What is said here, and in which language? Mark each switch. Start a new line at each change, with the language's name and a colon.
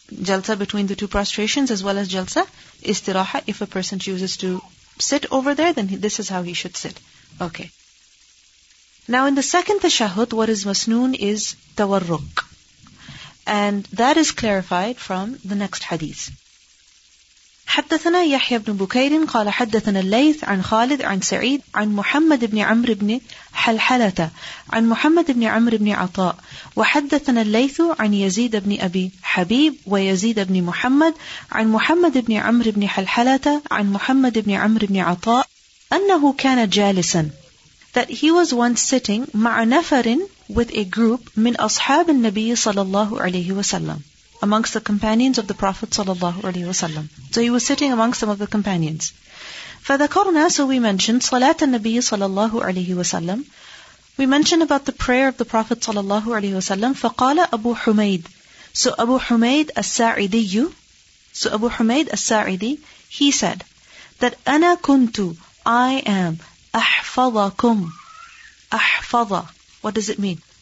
English: Jalsa between the two prostrations as well as jalsa. Istiraha. If a person chooses to sit over there, then this is how he should sit. Okay. Now in the second tashahud, what is masnoon is tawarruk. And that is clarified from the next hadith.
Arabic: حدثنا يحيى بن بكير قال حدثنا الليث عن خالد عن سعيد عن محمد بن عمرو بن حلحلة عن محمد بن عمرو بن عطاء وحدثنا الليث عن يزيد بن أبي حبيب ويزيد بن محمد عن محمد بن عمرو بن حلحلة عن محمد بن عمرو بن عطاء أنه كان جالسا
English: that he was once sitting
Arabic: مع نفر
English: with a group
Arabic: من أصحاب النبي صلى الله عليه وسلم
English: amongst the companions of the Prophet sallallahu alaihi wasallam. So he was sitting amongst some of the companions.
Arabic: فَذَكَرْنَا
English: So we mentioned
Arabic: صَلَاةَ النَّبِيِّ
English: sallallahu alaihi wasallam. We mentioned about the prayer of the Prophet sallallahu alaihi wasallam.
Arabic: فَقَالَ أَبُو حُمَيْدٍ
English: So Abu Humayd al-Sa'idiyyu, So Abu Humayd al-Sa'idi, he said that
Arabic: أَنَا كُنْتُ
English: I am
Arabic: أَحْفَظَكُمْ أَحْفَظَ
English: What does it mean?